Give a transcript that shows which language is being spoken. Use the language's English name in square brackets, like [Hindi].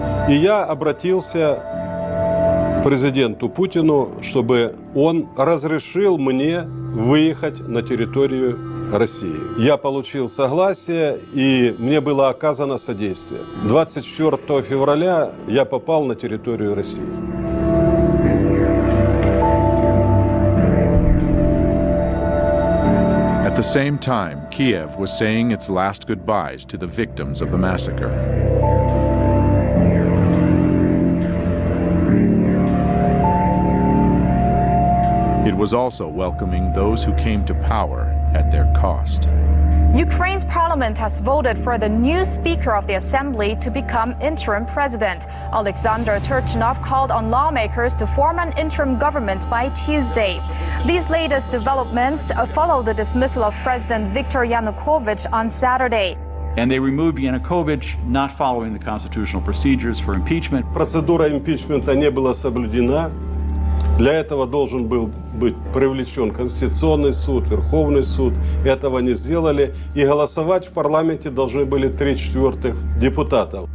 [Russian] И я обратился к президенту Путину, чтобы он разрешил мне выехать на территорию России. Я получил согласие, и мне было оказано содействие. 24 февраля я попал на территорию России. [English] At the same time, Kiev was saying its last goodbyes to the victims of the massacre. It was also welcoming those who came to power at their cost. Ukraine's parliament has voted for the new speaker of the assembly to become interim president. Alexander Turchynov called on lawmakers to form an interim government by Tuesday. These latest developments follow the dismissal of President Viktor Yanukovych on Saturday. And they removed Yanukovych, not following the constitutional procedures for impeachment. [Russian] Процедура импичмента не была соблюдена. Для этого должен был быть привлечен Конституционный суд, Верховный суд. Этого не сделали. И голосовать в парламенте должны были 3/4 депутатов.